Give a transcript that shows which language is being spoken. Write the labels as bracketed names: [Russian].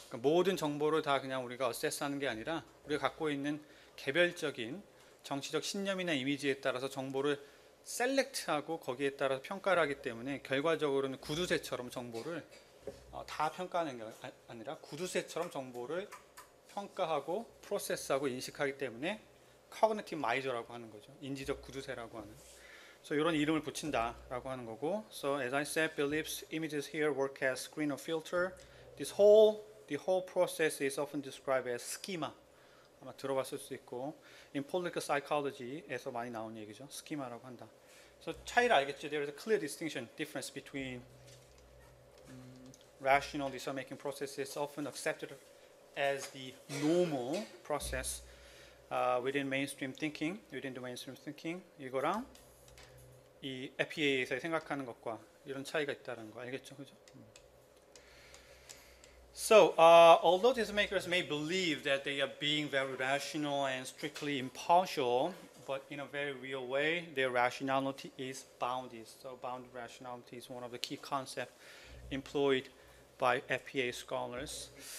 [Korean] 그러니까 모든 정보를 다 그냥 우리가 어세스하는 게 아니라 우리가 갖고 있는 개별적인 정치적 신념이나 이미지에 따라서 정보를 셀렉트하고 거기에 따라서 평가를 하기 때문에 결과적으로는 구두쇠처럼 정보를 다 평가하는 게 아니라 구두쇠처럼 정보를 평가하고 프로세스하고 인식하기 때문에 cognitive major라고 하는 거죠. 인지적 구두쇠라고 하는. So 이런 이름을 붙인다라고 하는 거고. [English] So as I said, beliefs, images here work as screen or filter. The whole process is often described as schema. [Korean] 아마 들어봤을 수 있고. [English] In political psychology [Korean] 에서 많이 나온 얘기죠. schema라고 한다. So 차이를 알겠죠. [English] There is a clear distinction, difference between rational decision making process is often accepted as the normal process within mainstream thinking, within the mainstream thinking. [Korean] 이거랑 이 FPA에서 생각하는 것과 이런 차이가 있다는 거 알겠죠? 그죠? [English] So, although decision makers may believe that they are being very rational and strictly impartial, but in a very real way, their rationality is bounded. So, bounded rationality is one of the key concepts employed by FPA scholars.